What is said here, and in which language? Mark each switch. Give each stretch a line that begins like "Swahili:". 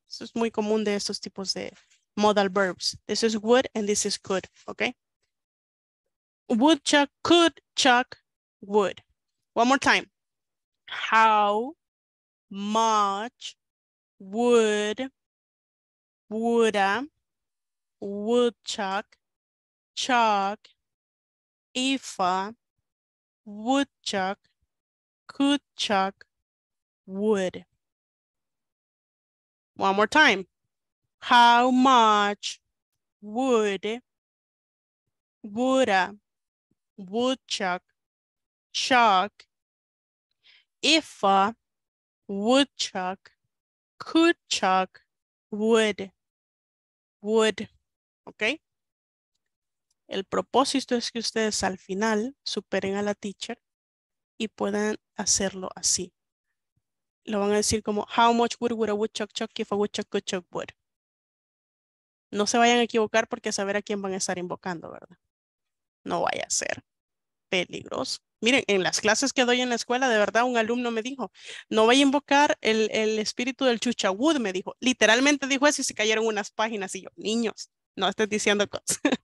Spanish: Eso es muy común de estos tipos de modal verbs.
English: This is would and this is could, ok? Would chuck, could chuck, would. One more time. How much would, woulda, would chuck, chuck, if a, would chuck, could chuck, would. One more time. How much would, woulda, would chuck, chuck, if a, would chuck, could chuck, would. Okay?
Spanish: El propósito es que ustedes al final superen a la teacher y puedan hacerlo así. Lo van a decir como,
English: how much would a woodchuck chuck if a woodchuck could chuck wood?
Spanish: No se vayan a equivocar porque saber a quién van a estar invocando, ¿verdad? No vaya a ser peligroso. Miren, en las clases que doy en la escuela, de verdad, un alumno me dijo, no vaya a invocar el espíritu del chucha wood, me dijo. Literalmente dijo eso y se cayeron unas páginas. Y yo, niños, no estés diciendo cosas.